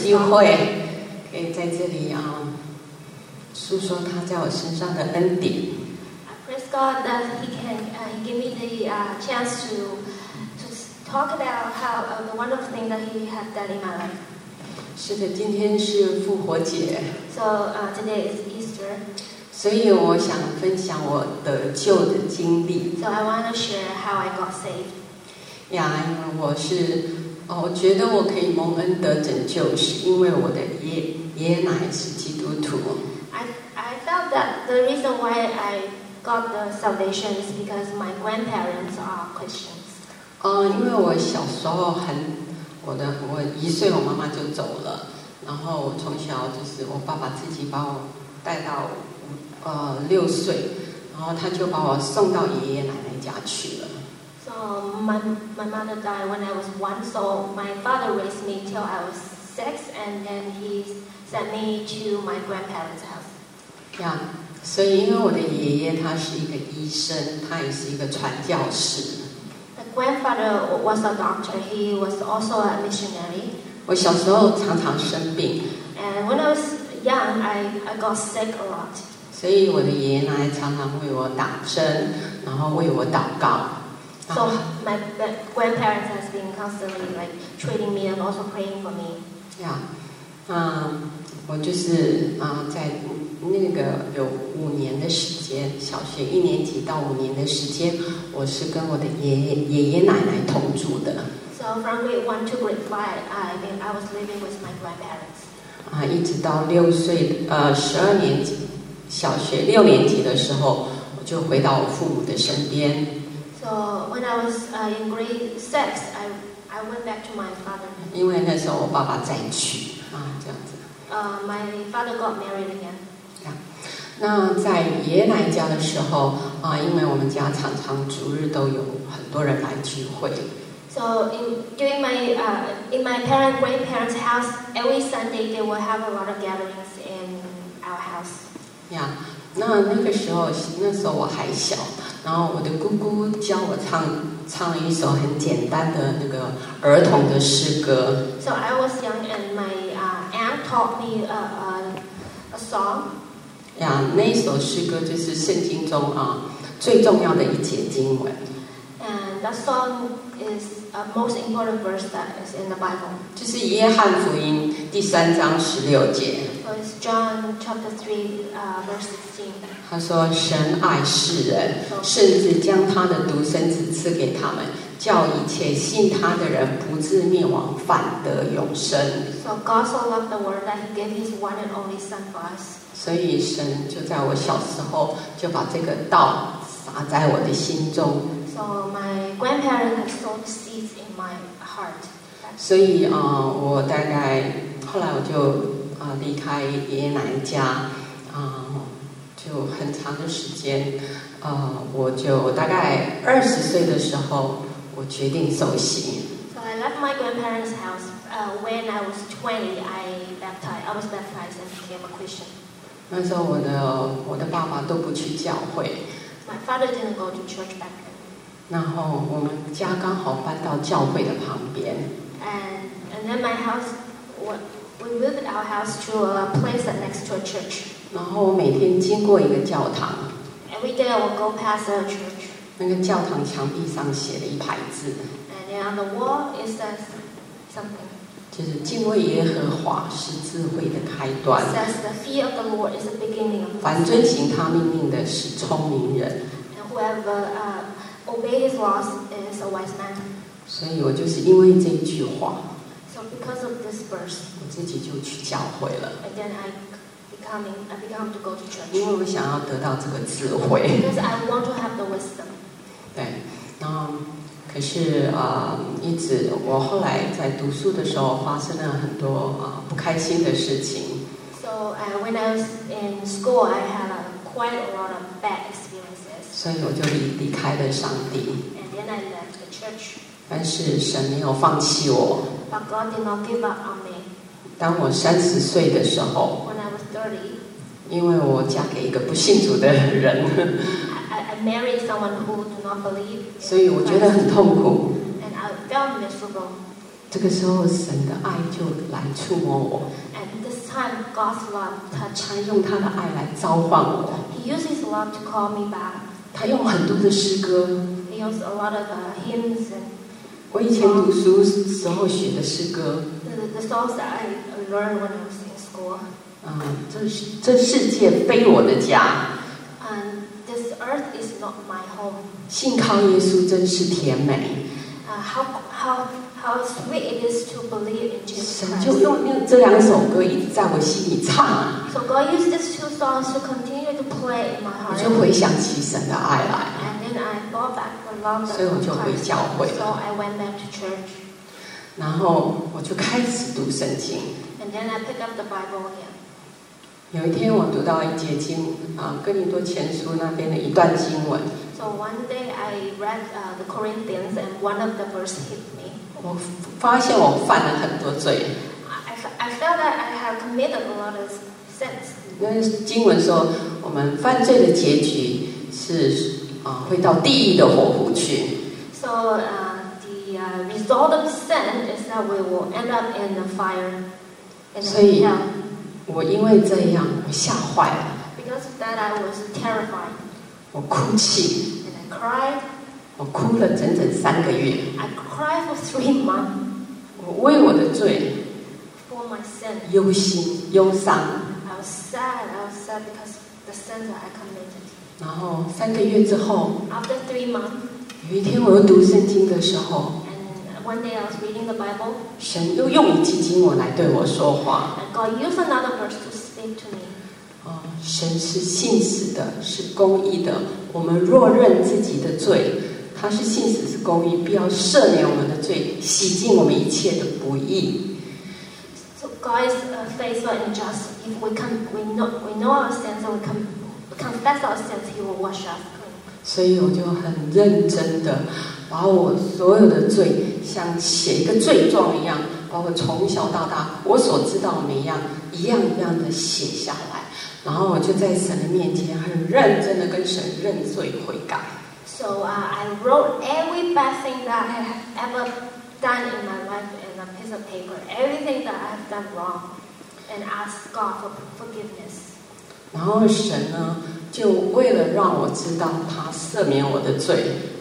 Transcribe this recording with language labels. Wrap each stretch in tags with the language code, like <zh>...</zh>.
<zh>会可以在这里诉说他在我身上的恩典。</zh> <en>I praise God that He can give me the chance to talk about how the wonderful thing that He has done in my life.</en> <zh>是的，今天是复活节。</zh> <en>So today is Easter.</en> <zh>所以我想分享我得救的经历。</zh> <en>So I want to share how I got saved.</en> <zh>呀，因为我是。哦，我觉得我可以蒙恩得拯救，是因为我的爷爷奶是基督徒。</zh> <en>I felt that the reason why I got the salvation is because my grandparents are Christians.</en> <zh>因为我小时候很，我一岁我妈妈就走了，然后我从小就是我爸爸自己把我带到六岁，然后他就把我送到爷爷奶奶家去了。</zh> <en>My mother died when I was one, so my father raised me till I was six, and then he sent me to my grandparents' house. Yeah, so because my</en> <zh>爷爷他是一个医生，他也是一个传教士。</zh> <en>grandfather was a doctor. He was also a missionary.</en> <zh>我小时候常常生病。</zh> <en>And when I was young, I got sick a lot.</en> <zh>所以我的爷爷奶奶常常为我打针，然后为我祷告。</zh> <en>So my grandparents has been constantly like treating me and also praying for me. Yeah.</en> <zh>我就是在那个有五年的时间，小学一年级到五年的时间，我是跟我的爷爷奶奶同住的。</zh> <en>So from grade one to grade five, I was living with my grandparents.</en> <zh>一直到六岁，十二年级，小学六年级的时候，我就回到我父母的身边。</zh> <en>So when I was in grade six, I went back to my father.</en> <zh>因为那时候我爸爸再娶这样子。</zh> <en>My father got married again.</en> <zh>那在爷爷奶奶家的时候因为我们家常常逐日都有很多人来聚会。</zh> <en>So in my grandparents' house, every Sunday they will have a lot of gatherings in our house.</en> <zh>Yeah, 那时候我还小，然后我的姑姑教我唱一首很简单的那个儿童的诗歌。</zh> <en>So I was young and my aunt taught me a song.</en> <zh>Yeah, 那一首诗歌就是圣经中最重要的一节经文。</zh> <en>And that song is a most important verse that is in the Bible.</en> <zh>就是约翰福音第三章十六节。</zh> <en>So it's John chapter 3, verse 16.</en> <zh>他说：“神爱世人，甚至将他的独生子赐给他们，叫一切信他的人不至灭亡，反得永生。”</zh> <en>So God so loved the world that he gave his one and only Son for us.</en> <zh>所以神就在我小时候就把这个道撒在我的心中。</zh> <en>So my grandparents have sown seeds in my heart.</en> <zh>所以我大概后来我就离开爷爷奶奶家就很长的时间我就大概二十岁的时候我决定受洗。</zh> <en>So I left my grandparents' house when I was 20. I was baptized and became a Christian.</en> <zh>那时候我的爸爸都不去教会。</zh> <en>My father didn't go to church back then.</en> <zh>然后我们家刚好搬到教会的旁边。</zh> <en>And then my house, we moved our house to a place that next to a church.</en> <zh>然后我每天经过一个教堂。</zh> <en>Every day I would go past a church.</en> <zh>那个教堂墙壁上写了一排字。</zh> <en>And then on the wall it says something.</en> <zh>就是敬畏耶和华是智慧的开端。</zh> <en>It says the fear of the Lord is the beginning of wisdom.</en> <zh>凡遵行他命令的是聪明人。</zh> <en>And whoever obeys his laws is a wise man.</en> <zh>所以我就是因为这句话。</zh> <en>So because of this verse.</en> <zh>我自己就去教会了。</zh> <en>And then I become to go to church.</en> <zh>因为我想要得到这个智慧。</zh> <en>Because I want to have the wisdom.</en> <zh>对，可是一直我后来在读书的时候发生了很多不开心的事情。</zh> <en>So when I was in school, I had quite a lot of bad experiences.</en> <zh>所以我就离开了上帝。</zh> <en>And then I left the church.</en> <zh>但是神没有放弃我。</zh> <en>But God did not give up on me.</en> <zh>当我三十岁的时候。</zh> <en>When I was 30.</en> <zh>因为我嫁给一个不信主的人。</zh> <en>Marry someone who do not believe.</en> <zh>所以我觉得很痛苦。</zh> <en>And I felt miserable.</en> <zh>这个时候，神的爱就来触摸我。</zh> <en>And this time, God's love touched.</en> <zh>他用他的爱来召唤我。</zh> <en>He uses his love to call me back.</en> <zh>他用很多的诗歌。</zh> <en>He uses a lot of hymns.</en> <zh>我以前读书时候学的诗歌。</zh> <en>The songs that I learned when I was in school.</en> <zh>这世界非我的家。</zh> <en>This earth is not my home.</en> <zh>信靠耶稣真是甜美。</zh> <en>How sweet it is to believe in Jesus Christ.</en> <zh>神就用这两首歌一直在我心里唱。</zh> <en>So God used these two songs to continue to play in my heart.</en> <zh>我就回想起神的爱来。</zh> <en>And then I thought back the love of Christ.</en> <zh>所以我就回教会了。</zh> <en>So I went back to church.</en> <zh>然后我就开始读圣经。</zh> <en>And then I picked up the Bible again.</en> <zh>有一天我读到一节经哥林多前书那边的一段经文。</zh> <en>So one day I read the Corinthians and one of the verse hit me.</en> <zh>我发现我犯了很多罪。</zh> <en>I felt that I have committed a lot of sins.</en> <zh>那经文说我们犯罪的结局是会到地狱的火湖去。</zh> <en>So So the result of sin is that we will end up in the fire.</en> <zh>所以，我因为这样，我吓坏了。</zh> <en>Because of that, I was terrified.</en> <zh>我哭泣。</zh> <en>And I cried.</en> <zh>我哭了整整三个月。</zh> <en>I cried for 3 months.</en> <zh>我为我的罪。</zh> <en>For my sin.</en> <zh>忧心忧伤。</zh> <en>I was sad. I was sad because the sin that I committed.</en> <zh>然后三个月之后。</zh> <en>After 3 months.</en> <zh>有一天我又读圣经的时候。</zh> <en>One day I was reading the Bible.</en> <zh>神又用一句经文来对我说话。</zh> <en>God used another verse to speak to me.</en> <zh>哦，神是信实的，是公义的。我们若认自己的罪，他是信实是公义，必要赦免我们的罪，洗净我们一切的不义。</zh> <en>So God is faithful and just. If we can, we know our sins and we confess our sins, He will wash us clean.</en> <zh>所以我就很认真的。把我所有的罪像写一个罪状一样，把我从小到大我所知道的每一样一样一样的写下来，然后我就在神的面前很认真的跟神认罪悔改。</zh> <en>So I wrote every bad thing that I have ever done in my life in a piece of paper, everything that I have done wrong, and asked God for forgiveness.</en> <zh>然后神呢，就为了让我知道他赦免我的罪，</zh>